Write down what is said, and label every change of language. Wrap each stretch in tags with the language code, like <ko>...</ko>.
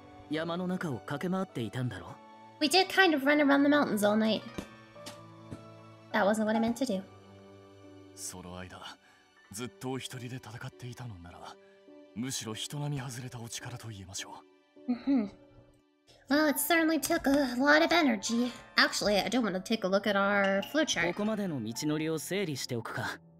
<en>We did kind of run around the mountains all night. That wasn't what I meant to do.</en> <ja>その間、ずっと一人で戦っていたのなら、むしろ人並み外れたお力と言えましょう。</ja> <en>Well, it certainly took a lot of energy. Actually, I don't want to take a look at our flowchart.</en> <ja>ここまでの道のりを整理しておくか。</ja>